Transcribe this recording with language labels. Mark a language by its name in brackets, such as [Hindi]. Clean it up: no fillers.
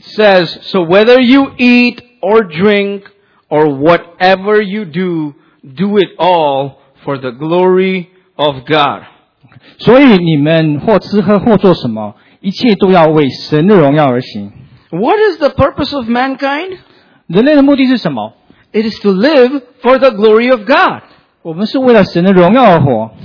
[English] says, so whether you eat or drink or whatever you do, do it all for the glory of God. [Chinese] 所以你们或吃喝或做什么，一切都要为神的荣耀而行。 [English] What is the purpose of mankind? [Chinese] 人类的目的是什么? [English] It is to live for the glory of God. [Chinese] 我们是为了神的荣耀而活。